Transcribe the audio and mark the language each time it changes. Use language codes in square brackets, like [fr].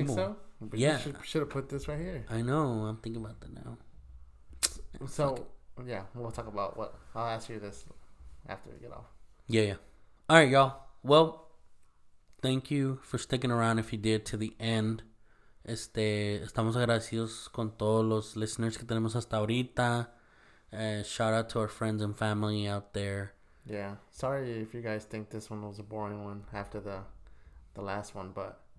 [en] You think so? But yeah, should have put this right here. I know. I'm thinking about that now. So, yeah, we'll talk about what I'll ask you this after we get off. Yeah, yeah. All right, y'all. Well, thank you for sticking around if you did to the end. [es] Estamos agradecidos con todos los listeners que tenemos hasta ahorita. [en] Shout out to our friends and family out there. Yeah. Sorry if you guys think this one was a boring one after the last one, but.